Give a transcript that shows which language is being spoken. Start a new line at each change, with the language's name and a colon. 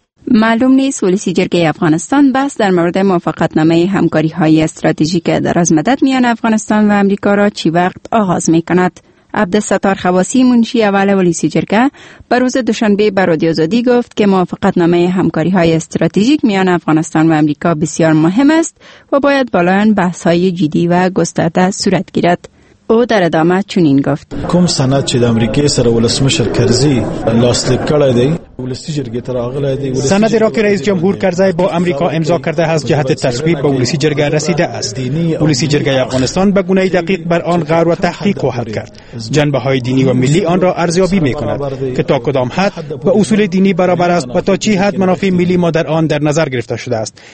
Persian: معلوم نیست ولسی جرگه افغانستان بحث در مورد موافقتنامه همکاری های استراتژیک درازمدت میان افغانستان و امریکا را چی وقت آغاز می کند. عبدالستار خواصی منشی اول ولسی جرگه بر روز دوشنبه بر رادیو آزادی گفت که موافقتنامه همکاری های استراتژیک میان افغانستان و امریکا بسیار مهم است و باید بالای آن بحث های جدی و گسترده صورت گیرد. او در ادامه چنین گفت:
Pashto: کوم سند چې د امریکای سره ولسمشر کرزی لاسلیک کړی دی، ولسی جرګه تر اغله دی.
Persian: سند را که رئیس جمهور کرزی با امریکا امضا کرده است جهت تصویب به ولسی جرګه رسیده است. دینی ولسی جرګه افغانستان به گونه دقیق بر آن غور و تحقیق خواهد کرد. جنبه های دینی و ملی آن را ارزیابی میکند که تا کدام حد به اصول دینی برابر است و تا چه حد منافع ملی ما در آن در نظر گرفته شده است.